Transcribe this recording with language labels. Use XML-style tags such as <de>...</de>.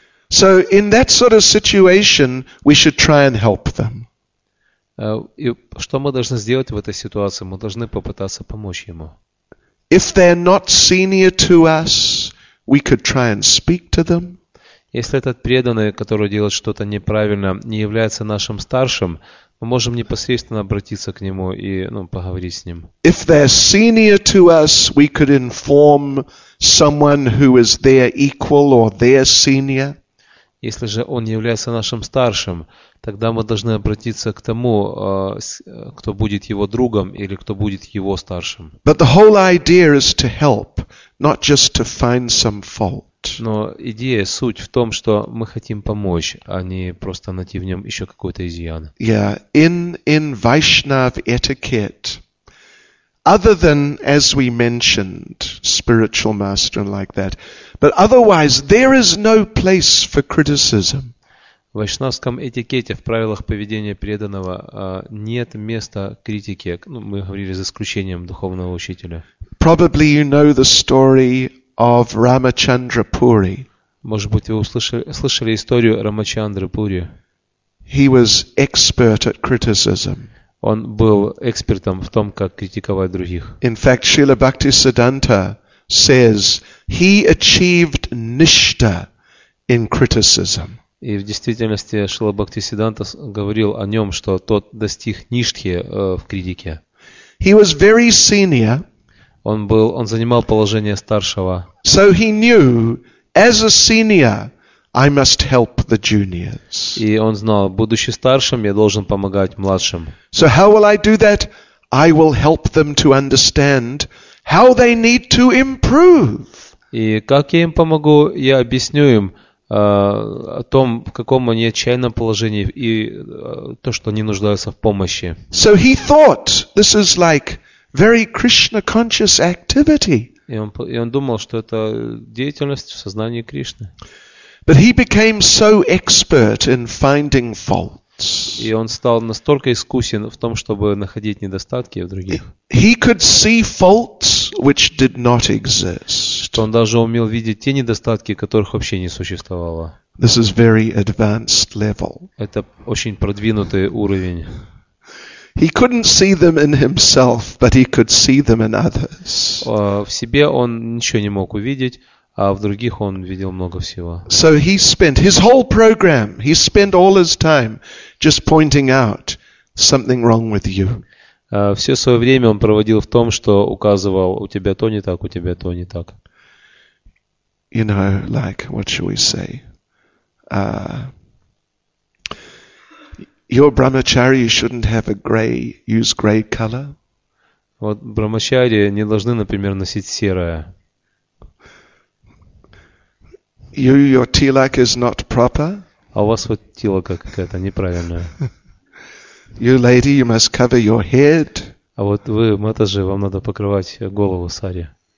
<en>So in that sort of situation, we should try and help them.</en> <ru>И что мы должны сделать в этой ситуации? Мы должны попытаться помочь ему.</ru> <en>If they're not senior to us, we could try and speak to them.</en> <ru>Если этот преданный, который делает что-то неправильно, не является нашим старшим, мы можем непосредственно обратиться к нему и, ну, поговорить с ним.</ru> <en>If they're senior to us, we could inform someone who is their equal or their senior.</en> <ru>Если же он является нашим старшим, тогда мы должны обратиться к тому, кто будет его другом или кто будет его старшим.</ru> <en>But the whole idea is to help, not just to find some fault.</en> <ru>Но идея, суть в том, что мы хотим помочь, а не просто найти в нем еще какой-то изъян.</ru> <en>Yeah, in Vaishnav etiquette, other than, as we mentioned, spiritual master and like that, but otherwise, there is no place for criticism.</en> <ru>В вайшнавском этикете, в правилах поведения преданного, нет места критике. Ну, мы говорили за исключением духовного учителя.</ru> <en>Probably you know the story of Ramachandra Puri.</en> <ru>Может быть, вы слышали историю Рамачандры Пури.</ru> <en>He was expert at criticism.</en> <ru>Он был экспертом в том, как критиковать других.</ru> <en>In fact, Srila Bhaktisiddhanta says he achieved nishta in criticism.</en> <ru>И в действительности Шрила Бхактисиддханта говорил о нем, что тот достиг ништхи в критике.</ru> <en>He was very senior.</en> <ru>Он занимал положение старшего.</ru> <en>So he knew, as a senior, I must help the juniors.</en> <ru>И он знал, будучи старшим, я должен помогать младшим.</ru> <en>So how will I do that? I will help them to understand how they need to improve.</en> <ru>И как я им помогу? Я объясню им о том, в каком они отчаянном положении и то, что они нуждаются в помощи.</ru> <en>So he thought this is like very Krishna conscious activity.</en> <ru>И он думал, что это деятельность в сознании Кришны.</ru> <en>But he became so expert in finding faults.</en> <ru>И он стал настолько искусен в том, чтобы находить недостатки в других.</ru> <en>He could see faults which did not exist.</en> <ru>Что он даже умел видеть те недостатки, которых вообще не существовало.</ru> <en>This is very advanced level.</en> <ru>Это очень продвинутый уровень.</ru> <en>He couldn't see them in himself, but he could see them in others.</en> <ru>В себе он ничего не мог увидеть, а в других он видел много всего.</ru> <en>So he spent his whole program, he spent all his time just pointing out something wrong with you.</en> <ru>Все свое время он проводил в том, что указывал, у тебя то не так, у тебя то не так.</ru> <en>You know, like, what should we say? Your brahmachari shouldn't have a gray, use gray color.</en> <ru>Вот брахмачари не должны, например, носить серое.</ru> <en>You, your tilak is not proper.</en> <ru>А у вас вот тилака какая-то неправильная.</ru> <en>You lady, you must cover your head.</en> <ru>А вот вы, матаджи, вам надо покрывать голову сари.</ru>